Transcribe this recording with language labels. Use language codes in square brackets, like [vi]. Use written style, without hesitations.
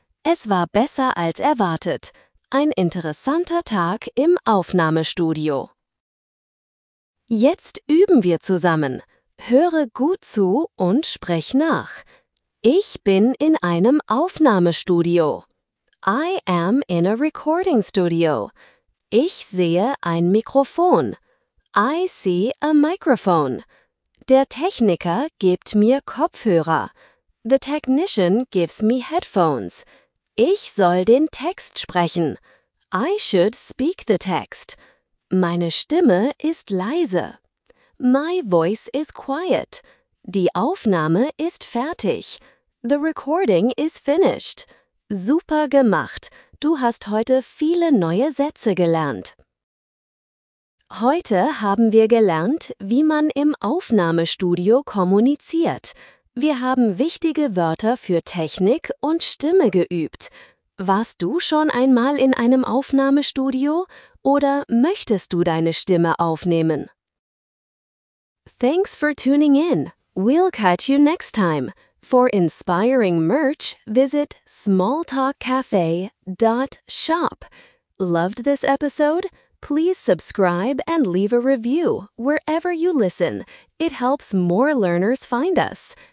[de] Es war besser als erwartet. Ein interessanter Tag im Aufnahmestudio. Jetzt üben wir zusammen. Höre gut zu und sprech nach. Ich bin in einem Aufnahmestudio. [en] I am in a recording studio. [de] Ich sehe ein Mikrofon. [en] I see a microphone. [de] Der Techniker gibt mir Kopfhörer. [en] The technician gives me headphones. [de] Ich soll den Text sprechen. [en] I should speak the text. [de] Meine Stimme ist leise. [en] My voice is quiet. [de] Die Aufnahme ist fertig. [en] The recording is finished. [de] Super gemacht. Du hast heute viele neue Sätze gelernt. Heute haben wir gelernt, wie man im Aufnahmestudio kommuniziert. Wir haben wichtige Wörter für Technik und Stimme geübt. Warst du schon einmal in einem Aufnahmestudio oder möchtest du deine Stimme aufnehmen? [en] Thanks for tuning in. We'll catch you next time. For inspiring merch, visit smalltalkcafe.shop. Loved this episode? Please subscribe and leave a review wherever you listen. It helps more learners find us.